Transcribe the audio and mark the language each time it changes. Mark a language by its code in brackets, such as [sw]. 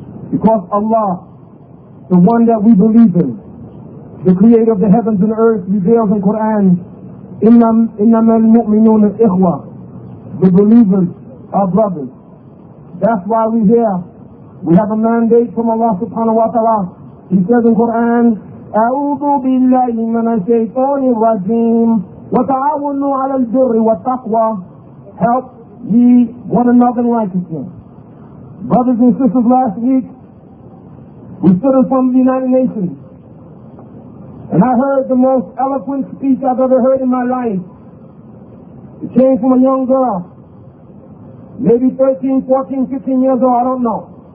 [en] Because Allah, the one that we believe in, the creator of the heavens and earth, reveals in Quran, [ar] إِنَّمَا الْمُؤْمِنُونَ إِخْوَةً. [en] The believers are brothers. That's why we're here. We have a mandate from Allah subhanahu wa ta'ala. He says in Quran, [ar] أَعُوذُ بِاللَّهِ مَنَ الشَّيْطَانِ الرَّجِيمِ وَتَعَوَنُوا عَلَى الْبِرِّ وَالتَّقْوَى. [en] Help ye one another in righteousness. Brothers and sisters, last week, we stood in front of the United Nations, and I heard the most eloquent speech I've ever heard in my life. It came from a young girl, maybe 13, 14, 15 years old, I don't know.